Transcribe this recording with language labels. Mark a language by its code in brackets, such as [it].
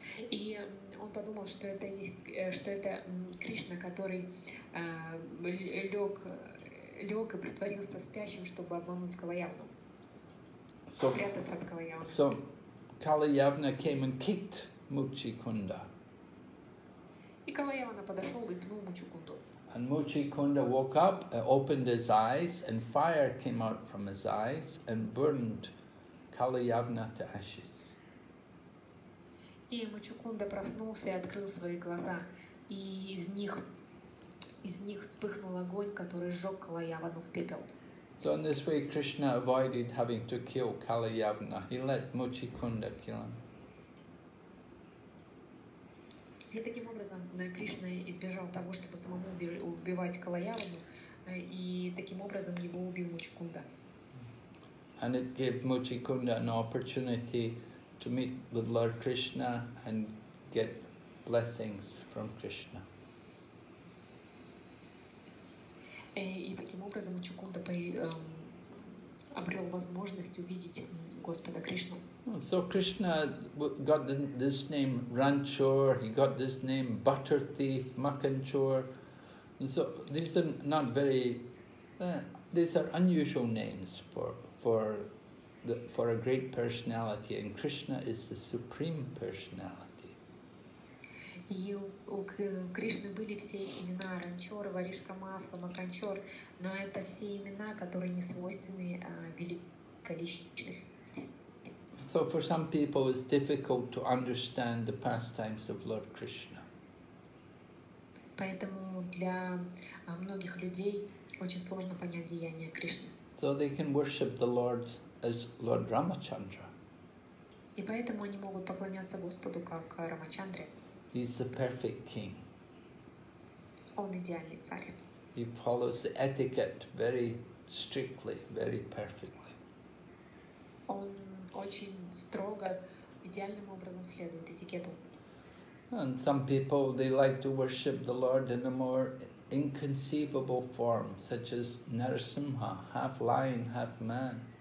[ru] И он подумал, что это есть, что это Кришна, который лег и притворился спящим, чтобы обмануть Калаявну, спрятаться от Калаявны. [en] So Kalayavana came and kicked Muchikunda. [ru] И Калаявна подошел и пнул Мучикунду. [en] And Muchikunda woke up, opened his eyes, and fire came out from his eyes and burned Kalayavana to ashes. [ru] И Мучукунда проснулся и открыл свои глаза, и из них вспыхнул огонь, который сжег Калаявану в пепел. [en] So in this way, Krishna avoided having to kill Kalayavana. He let Muchikunda kill him. [ru] И таким образом Кришна избежал того, чтобы самому убивать Калаявану, и таким образом его убил Мучикунда. [en] And it gave Mucchikunda an opportunity to meet with Lord Krishna and get blessings from Krishna. [ru] И таким образом Мучикунда обрел возможность увидеть Господа Кришну. [en] So Krishna got this name Ranchor, he got this name Butter Thief, Makanchor. So these are not very, these are unusual names for a great personality, and Krishna is the supreme personality. [ru] И у Кришны были все эти имена, Ранчор, Варишка Масло, Маканчор, но это все имена, которые не свойственны великой личности. [en] So for some people, it's difficult to understand the pastimes of Lord Krishna. [ru] Поэтому для многих людей очень сложно понять деяния Кришны. [en] So they can worship the Lord as Lord Ramachandra. [ru] И поэтому они могут поклоняться Господу как Рамачандре. [en] He's the perfect king. [ru] Он идеальный царь. [en] He follows the etiquette very strictly, very perfectly. [ru] Он очень строго, идеальным образом следует этикету. [en] And some people, they like to worship the Lord in a more inconceivable form, such as Narasimha, half lion, half man.